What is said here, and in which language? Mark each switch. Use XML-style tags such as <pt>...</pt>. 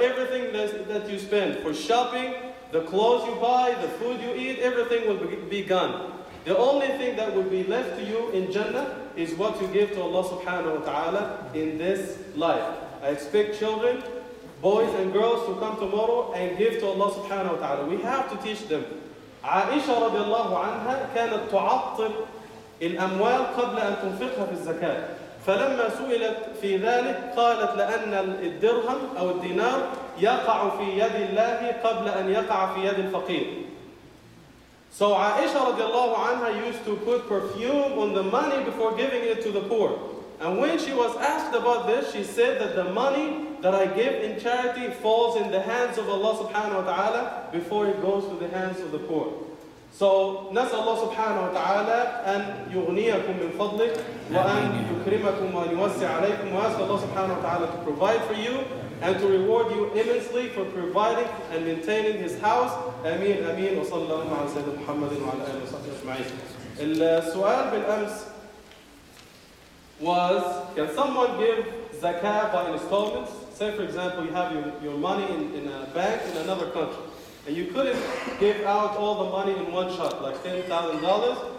<en>Everything that you spend for shopping, the clothes you buy, the food you eat, everything will be gone. The only thing that will be left to you in Jannah is what you give to Allah subhanahu wa ta'ala in this life. I expect children, boys and girls, to come tomorrow and give to Allah subhanahu wa ta'ala. We have to teach them.</en> <ar>Aisha radiallahu anha كانت تعطل الأموال قبل أن تنفقها في الزكاة. فلما سئلت في ذلك قالت لأن الدرهم أو الدينار يقع في يد الله قبل أن يقع في يد الفقير.</ar> <en>So Aisha radiallahu anha used to put perfume on the money before giving it to the poor. And when she was asked about this, she said that the money that I give in charity falls in the hands of Allah subhanahu wa ta'ala before it goes to the hands of the poor.</en> <ar>So, نسأل الله سبحانه وتعالى أن يغنيكم من فضلك وأن يكرمكم وأن يوسع عليكم وأسأل الله سبحانه وتعالى</ar> <en>to provide for you and to reward you immensely for providing and maintaining his house.</en> <ar>أمين أمين وصلى الله على سيدنا محمد وعلى آله وصحبه أجمعين. السؤال بالأمس</ar> <en>was, can someone give zakah by installments? Say for example, you have your money in a bank in another country. And you couldn't give out all the money in one shot, like $10,000.</en>